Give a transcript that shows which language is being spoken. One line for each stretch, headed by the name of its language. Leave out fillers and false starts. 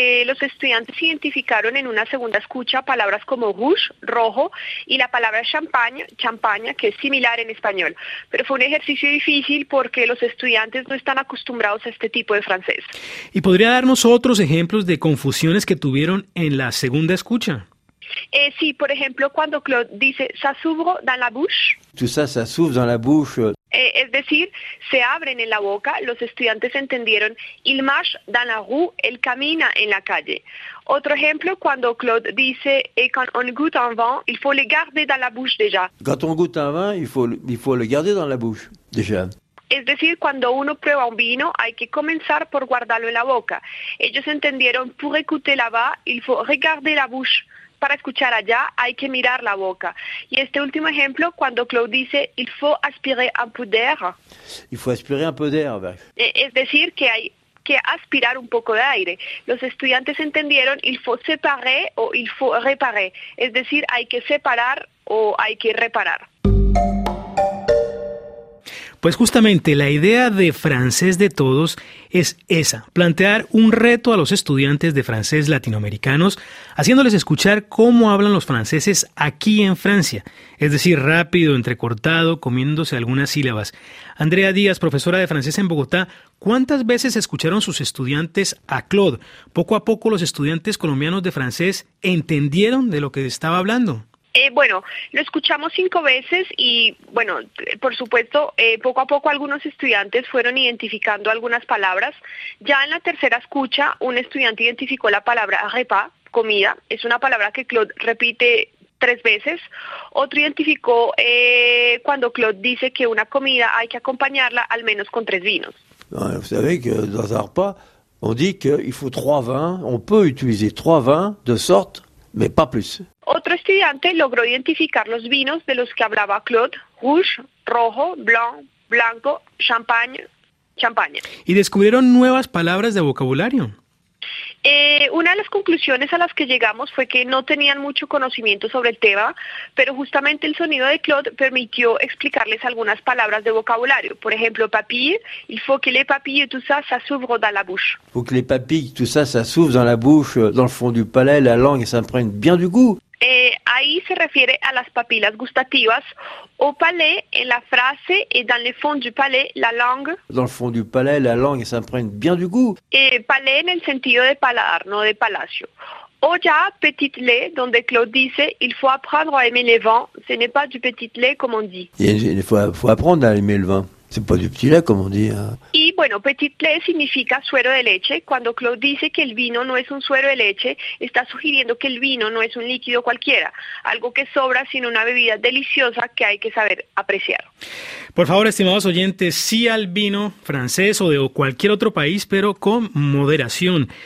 Spanish: Los estudiantes identificaron en una segunda escucha palabras como rouge, rojo, y la palabra champaña, que es similar en español. Pero fue un ejercicio difícil porque los estudiantes no están acostumbrados a este tipo de francés. ¿Y podría darnos otros ejemplos de confusiones que tuvieron en la segunda escucha? Sí, por ejemplo, cuando Claude dice ça s'ouvre dans la bouche.
French: Tout ça, ça s'ouvre dans la bouche.
Spanish: Es decir, se abren en la boca, los estudiantes entendieron il marche dans la rue, él camina en la calle. Otro ejemplo, cuando Claude dice et quand on goûte un vin, il faut le garder dans la bouche déjà.
French: Quand on goûte un vin, il faut le garder dans la bouche déjà.
Spanish: Es decir, cuando uno prueba un vino, hay que comenzar por guardarlo en la boca. Ellos entendieron pour écouter là-bas, il faut regarder la bouche. Para escuchar allá hay que mirar la boca. Y este último ejemplo, cuando Claude dice, il faut aspirer un peu d'air.
French: Il faut aspirer un peu d'air.
Spanish: Es decir, que hay que aspirar un poco de aire. Los estudiantes entendieron, il faut séparer o il faut réparer. Es decir, hay que separar o hay que reparar. Pues justamente la idea de Francés de Todos es esa, plantear un reto a los estudiantes de francés latinoamericanos, haciéndoles escuchar cómo hablan los franceses aquí en Francia, es decir, rápido, entrecortado, comiéndose algunas sílabas. Andrea Díaz, profesora de francés en Bogotá, ¿cuántas veces escucharon sus estudiantes a Claude? Poco a poco los estudiantes colombianos de francés entendieron de lo que estaba hablando. Bueno, lo escuchamos 5 veces y, bueno, por supuesto, poco a poco algunos estudiantes fueron identificando algunas palabras. Ya en la tercera escucha, un estudiante identificó la palabra repas, comida. Es una palabra que Claude repite 3 veces. Otro identificó cuando Claude dice que una comida hay que acompañarla al menos con 3 vinos.
French: Vous savez que dans un repas, on dit qu'il faut 3 vins, on peut utiliser 3 vins de sorte, mais pas plus.
Spanish: Otro estudiante logró identificar los vinos de los que hablaba Claude, rouge, rojo, blanc, blanco, champagne. ¿Y descubrieron nuevas palabras de vocabulario? Una de las conclusiones a las que llegamos fue que no tenían mucho conocimiento sobre el tema, pero justamente el sonido de Claude permitió explicarles algunas palabras de vocabulario.
French: Por ejemplo, papille, il faut que les papilles tout ça, ça s'ouvre dans la bouche. Il faut que les papilles tout ça, ça s'ouvre dans la bouche, dans le fond du palais, la langue s'imprègne bien du goût.
Spanish: Ahí se refiere a las papilas gustativas.
French: Au palais, en la frase, et dans le fond du palais, la langue. Dans le fond du palais, la langue s'imprègne bien du goût.
Spanish: Palais en el sentido de paladar, no de palacio. O ya, petit lait, donde Claude dice, il faut apprendre à aimer les vins.
French: Ce n'est pas du petit lait, comme on dit. Il faut apprendre à aimer le vin. C'est pas du petit lait, comme on dit.
Spanish: Y bueno, petit lait significa suero de leche. Cuando Claude dice que el vino no es un suero de leche, está sugiriendo que el vino no es un líquido cualquiera, algo que sobra, sino una bebida deliciosa que hay que saber apreciar. Por favor, estimados oyentes, sí al vino francés o de cualquier otro país, pero con moderación.